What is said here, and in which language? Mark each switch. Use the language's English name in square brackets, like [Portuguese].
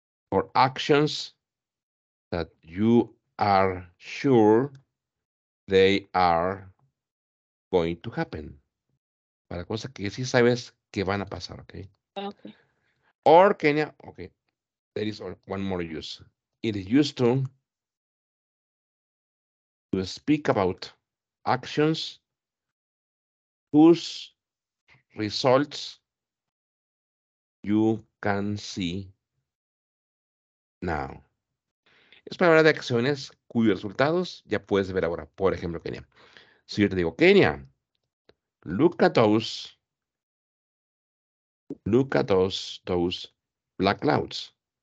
[English] For actions that you are sure they are going to happen. [Spanish] Para cosas que sí sabes que van a pasar. [English] Okay. Okay. Or, Kenia. Okay. There is one more use. It is used to speak about actions whose results you can see now. [Spanish] Es para hablar de acciones cuyos resultados ya puedes ver ahora. Por ejemplo, Kenia. Si yo te digo, [English] Kenia, look at those black clouds.